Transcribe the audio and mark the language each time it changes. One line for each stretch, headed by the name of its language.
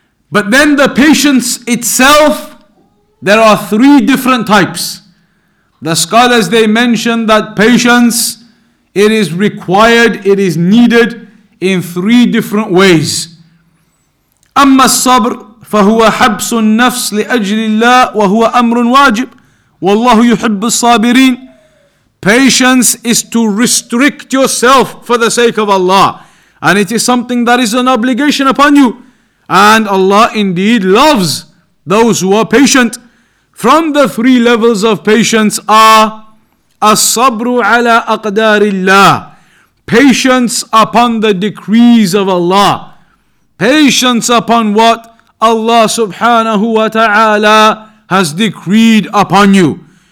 English: But then the patience itself, there are three different types. The scholars, they mention that patience, it is required, it is needed in three different ways.
Arabic: أما الصبر فهو حبس النفس لأجل الله وهو أمر واجب والله يحب الصابرين.
English: Patience is to restrict yourself for the sake of Allah, and it is something that is an obligation upon you. And Allah indeed loves those who are patient. From the three levels of patience are
Arabic: as-sabru ala aqdarillah,
English: patience upon the decrees of Allah, patience upon what Allah subhanahu wa ta'ala has decreed upon you.